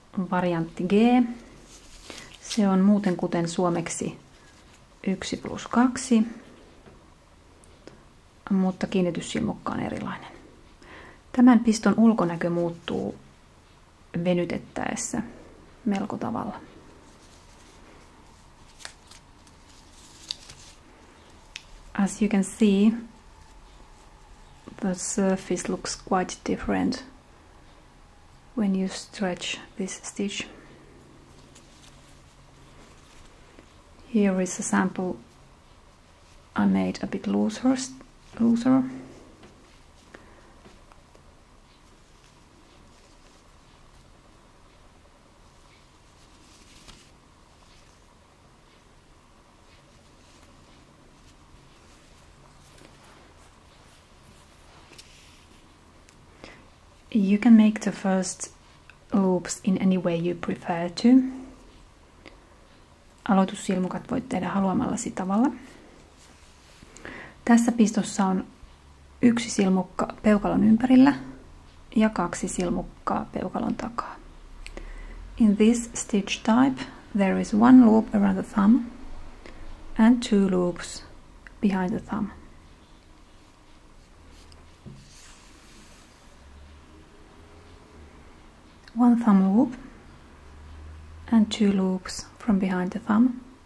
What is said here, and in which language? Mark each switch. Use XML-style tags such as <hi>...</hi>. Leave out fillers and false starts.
<fi>Variantti G. Se on muuten kuten suomeksi 1 plus 2, mutta kiinnityssilmukka on erilainen. Tämän piston ulkonäkö muuttuu venytettäessä melko tavalla.</fi> <en>As you can see, the surface looks quite different when you stretch this stitch. Here is a sample I made a bit looser. You can make the first loops in any way you prefer to.</en> <fi>Aloitussilmukat voit tehdä haluamallasi tavalla. Tässä pistossa on yksi silmukka peukalon ympärillä ja kaksi silmukkaa peukalon takaa.</fi> <en>In this stitch type, there is one loop around the thumb and two loops behind the thumb. One thumb loop and two loops from behind the thumb.</en>